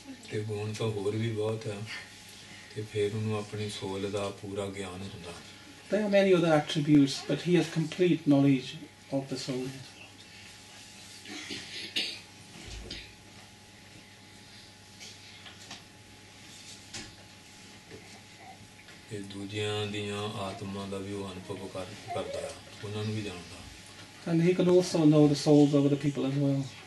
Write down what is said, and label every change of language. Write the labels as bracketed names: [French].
[Punjabi] ਤੇ ਗੁਣ ਤਾਂ ਹੋਰ ਵੀ ਬਹੁਤ ਹੈ ਤੇ ਫਿਰ ਉਹਨੂੰ ਆਪਣੀ ਸੋਲ ਦਾ ਪੂਰਾ ਗਿਆਨ ਹੁੰਦਾ [English] There are many other attributes, but he has complete knowledge of the soul. [Punjabi] ਤੇ ਦੂਜਿਆਂ ਦੀਆਂ ਆਤਮਾ ਦਾ ਵੀ ਉਹ ਅਨੁਭਵ ਕਰਦਾ ਹੈ ਉਹਨਾਂ ਨੂੰ ਵੀ ਜਾਣਦਾ [English] And he can also know the souls of other people as well.